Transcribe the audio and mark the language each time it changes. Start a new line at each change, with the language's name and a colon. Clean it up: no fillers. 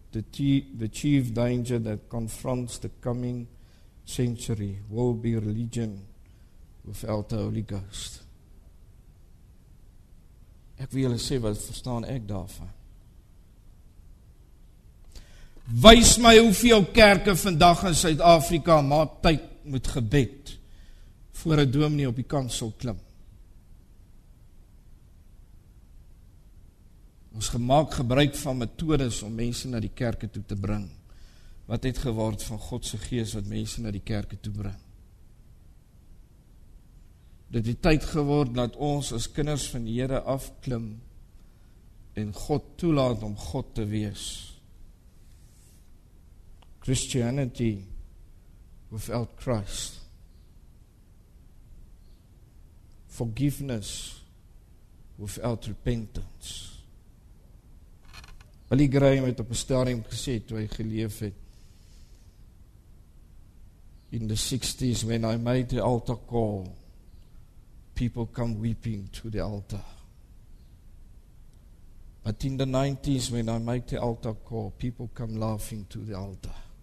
English: The chief danger that confronts the coming century will be religion without the Holy Ghost.
Afrikaans: Ek wil julle sê, wat verstaan ek daarvan? Wys my hoeveel kerke vandag in Suid-Afrika maak tyd met gebed voor 'n dominee op die kansel klim. Ons gemaak gebruik van methodes om mense na die kerke toe te bring. Wat het geword van Godse gees wat mense na die kerke toe bring? Dit die tyd geword dat ons as kinders van die Here afklim en God toelaat om God te wees.
English: Christianity without Christ. Forgiveness without repentance.
Afrikaans: Billy Graham het op een stadium gesê toe hy geleef het.
English: In the 60s when I made the altar call, people come weeping to the altar. But in the 90s, when I make the altar call, people come laughing to the altar.